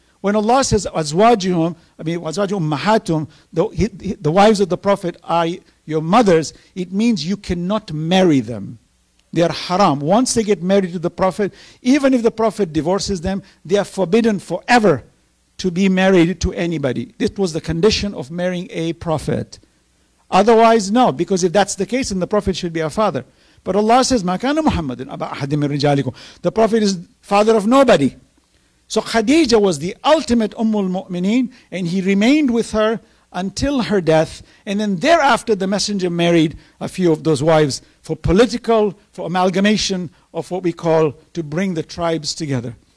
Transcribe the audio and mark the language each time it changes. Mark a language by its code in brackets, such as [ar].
[en] When Allah says, azwajuhum, azwajuhum mahatum, the wives of the Prophet are your mothers, it means you cannot marry them. They are haram. Once they get married to the Prophet, even if the Prophet divorces them, they are forbidden forever to be married to anybody. This was the condition of marrying a prophet. Otherwise, no, because if that's the case, then the prophet should be our father. But Allah says, [ar] مَا كَانَ مُحَمَّدٍ أَبَا أَحَدٍ مِنْ رِجَالِكُمْ. [en] The prophet is father of nobody. So Khadija was the ultimate Ummul Mu'mineen, and he remained with her until her death. And then thereafter, the messenger married a few of those wives for political, for amalgamation of what we call to bring the tribes together.